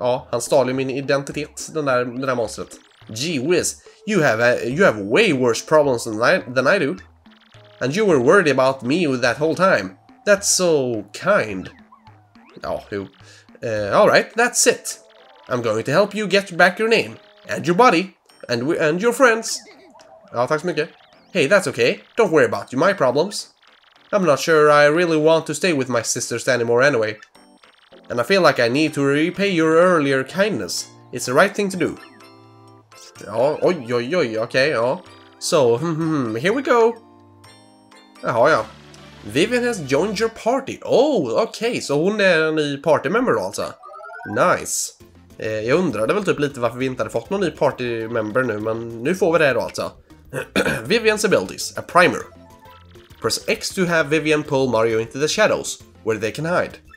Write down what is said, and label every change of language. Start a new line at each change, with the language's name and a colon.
Swedish: Han stal ju min identitet, den där monstret.
English: Gee whiz, you have way worse problems than I do. And you were worried about me that whole time. That's so kind. Alright, that's it. I'm going to help you get back your name. And your body. And your friends.
Swedish: Ja, tack så mycket.
English: Hey, that's okay. Don't worry about my problems. I'm not sure I really want to stay with my sisters anymore anyway. And I feel like I need to repay your earlier kindness. It's the right thing to do.
Swedish: Ja, oj, okej, ja.
English: So, here we go.
Swedish: Jaha, ja.
English: Vivian has joined your party.
Swedish: Så hon är en ny party member då, alltså. Nice. Jag undrade väl typ lite varför vi inte hade fått någon ny party member nu, men nu får vi det då, alltså.
English: Vivian's abilities, a primer. Press X to have Vivian pull Mario into the shadows, where they can hide.